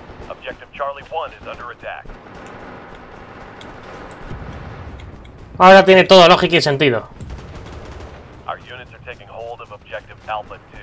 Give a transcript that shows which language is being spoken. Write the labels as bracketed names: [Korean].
[English] Objective Charlie 1 is under attack. [Spanish] Ahora tiene todo lógico y sentido. [English] Our units are taking hold of Objective Alpha 2.